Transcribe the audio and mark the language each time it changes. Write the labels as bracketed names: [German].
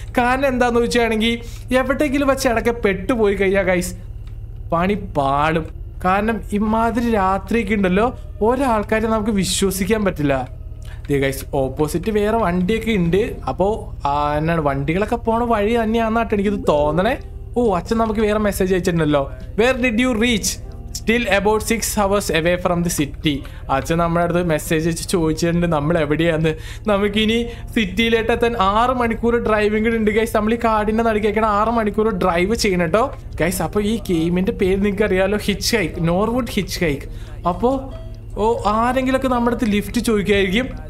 [Malayalam] കാരണം എന്താന്ന് വെച്ചാണെങ്കിൽ എവിടെയെങ്കിലും വെച്ച് ഇടയ്ക്ക് പെട്ടുപോയി കഴിയാ ഗൈസ് പണി പാളും. കാരണം ഇമാതിരി രാത്രിയൊക്കെ ഉണ്ടല്ലോ ഒരാൾക്കാരെ നമുക്ക് വിശ്വസിക്കാൻ പറ്റില്ല. ദേ ഗൈസ്, ഓപ്പോസിറ്റ് വേറെ വണ്ടിയൊക്കെ ഉണ്ട്. അപ്പോൾ എന്നാണ് വണ്ടികളൊക്കെ പോണ വഴി തന്നെയാണെന്നാട്ട് എനിക്കിത് തോന്നണേ. ഓ, അച്ഛൻ നമുക്ക് വേറെ message അയച്ചിട്ടുണ്ടല്ലോ. [English] Where did you reach? Still about 6 hours away from the city. [Malayalam] അച്ഛൻ നമ്മുടെ അടുത്ത് മെസ്സേജ് വെച്ച് ചോദിച്ചിട്ടുണ്ട് നമ്മൾ എവിടെയാന്ന്. നമുക്കിനി സിറ്റിയിലേട്ട് എത്താൻ 6 മണിക്കൂർ ഡ്രൈവിംഗ് ഉണ്ട് ഗൈസ്. നമ്മൾ ഈ കാടിൻ്റെ നടുക്കേക്കണ 6 മണിക്കൂർ ഡ്രൈവ് ചെയ്യണട്ടോ ഗൈസ്. അപ്പോൾ ഈ ഗെയിമിൻ്റെ പേര് നിങ്ങൾക്ക് അറിയാമല്ലോ, hitch hike, Norwood hitch hike. അപ്പോൾ ഓ ആരെങ്കിലുമൊക്കെ നമ്മുടെ അടുത്ത് ലിഫ്റ്റ് ചോദിക്കുമായിരിക്കും.